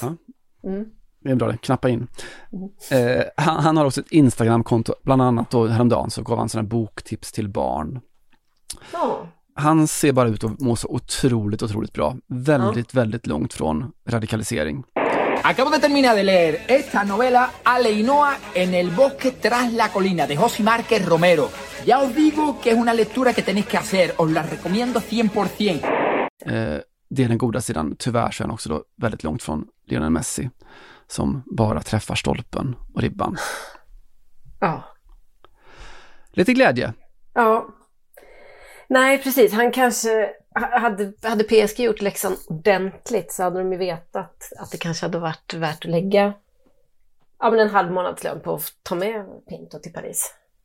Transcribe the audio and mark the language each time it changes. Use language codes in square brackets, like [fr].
[sv] Ja. Mm. Det är bra det, knappa in. Mm. Han har också ett Instagram-konto, bland annat då häromdagen så gav han sådana boktips till barn. Han ser bara ut och mår så otroligt, otroligt bra. Väldigt, väldigt långt från radikalisering. [es] Acabo de terminar de leer esta novela Aleinoa en el bosque tras la colina de José Márquez Romero. Ya os digo que es una lectura que tenéis que hacer. Os la recomiendo 100%. [sv] Det är den goda sidan. Tyvärr så är han också då väldigt långt från Lionel Messi som bara träffar stolpen och ribban. Ja. Lite glädje. Ja. Nej, precis. Han kanske hade PSG gjort läxan ordentligt så hade de ju vetat att det kanske hade varit värt att lägga en halv månadslön på att ta med Pinto till Paris.